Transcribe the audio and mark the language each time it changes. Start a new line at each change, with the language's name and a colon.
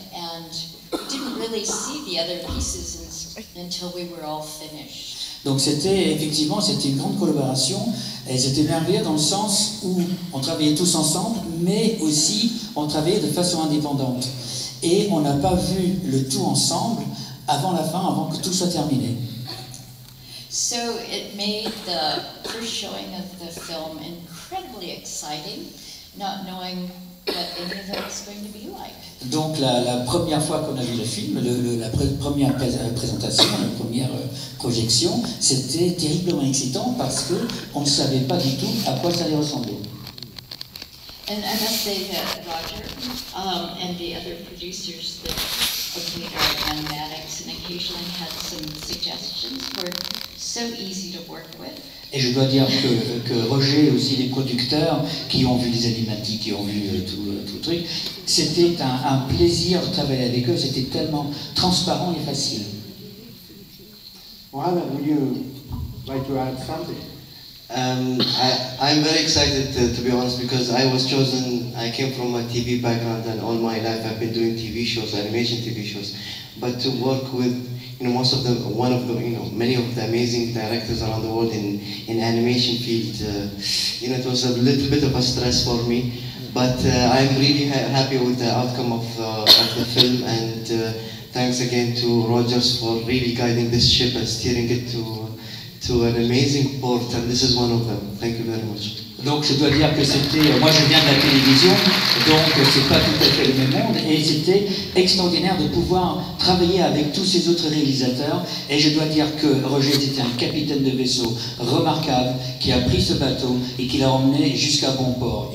English: And we didn't really see the other pieces until we were all finished.
French: Donc c'était, effectivement, c'était une grande collaboration. Et c'était merveilleux dans le sens où on travaillait tous ensemble, mais aussi on travaillait de façon indépendante. Et on n'a pas vu le tout ensemble avant la fin, avant que tout soit terminé.
English: So it made the first showing of the film incredibly exciting, not knowing what any of it was going to be like.
French: Donc la première fois qu'on a vu le film, la première présentation, la première projection, c'était terriblement excitant parce que on ne savait pas du tout à quoi ça allait ressembler.
English: And I must say that Roger and the other producers, and Maddox, and occasionally had some suggestions, were so easy to work with.
French: Et je dois dire que Roger, aussi les producteurs qui ont vu les animatiques, qui ont vu tout le truc, c'était un plaisir de travailler avec eux, c'était tellement transparent et facile.
English: Well, would you like to add something? I'm very excited to be honest, because I was chosen. I came from a TV background, and all my life I've been doing TV shows, animation TV shows. But to work with, you know, many of the amazing directors around the world in animation field, you know, it was a little bit of a stress for me. But I'm really happy with the outcome of the film, and thanks again to Rogers for really guiding this ship and steering it to an amazing port, and this is one of them. Thank you very much.
French: Donc je dois dire que c'était, moi je viens de la télévision, donc c'est pas tout à fait le même monde, et c'était extraordinaire de pouvoir travailler avec tous ces autres réalisateurs, et je dois dire que Roger était un capitaine de vaisseau remarquable, qui a pris ce bateau et qui l'a emmené jusqu'à bon port.